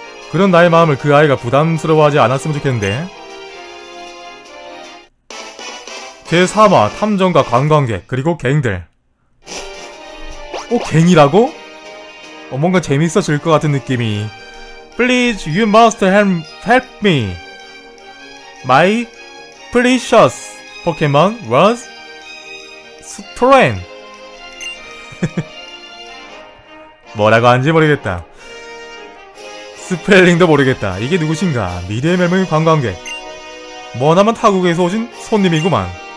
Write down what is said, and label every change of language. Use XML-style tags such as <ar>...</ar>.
<ko>그런 나의 마음을 그 아이가 부담스러워하지 않았으면 좋겠는데. 제3화 탐정과 관광객 그리고 갱들. 갱이라고? 뭔가 재밌어질 것 같은 느낌이.</ko> <en>Please, you must help me. My precious Pokemon was strange.</en> <ko>뭐라고 하는지 모르겠다. 스펠링도 모르겠다. 이게 누구신가? 미래의 멸망의 관광객. 머나먼 타국에서 오신 손님이구만.</ko>